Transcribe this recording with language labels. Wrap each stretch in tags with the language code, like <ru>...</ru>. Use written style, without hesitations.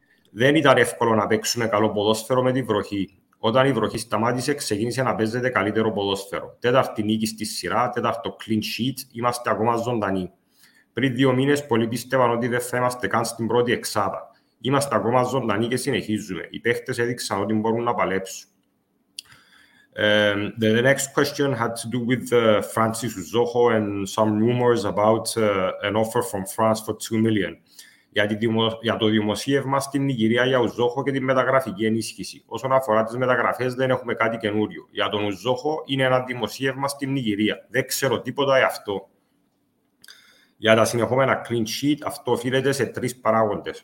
<el>Δεν ήταν εύκολο να παίξουμε καλό ποδόσφαιρο με τη βροχή. Όταν η βροχή σταμάτησε, ξεκίνησε να παίζεται καλύτερο ποδόσφαιρο. Τέταρτη νίκη στη σειρά, τέταρτο clean sheet, είμαστε ακόμα ζωντανοί. Πριν δύο μήνες, πολλοί πίστευαν ότι δεν θα είμαστε καν στην πρώτη εξάδα. Είμαστε ακόμα ζωντανοί και συνεχίζουμε. Οι παίχτες έδειξαν ότι μπορούν να παλέψουν.</el> <en>The next question had to do with Francis Zoho and some rumors about an offer from France for 2 million.</en> <el>Για το δημοσίευμα στην Νιγηρία για Ουζόχο και τη μεταγραφική ενίσχυση. Όσον αφορά τις μεταγραφές, δεν έχουμε κάτι καινούριο. Για τον Ουζόχο είναι ένα δημοσίευμα στην Νιγηρία. Δεν ξέρω τίποτα γι' αυτό. Για τα συνεχόμενα clean sheet, αυτό οφείλεται σε τρεις παράγοντες.</el>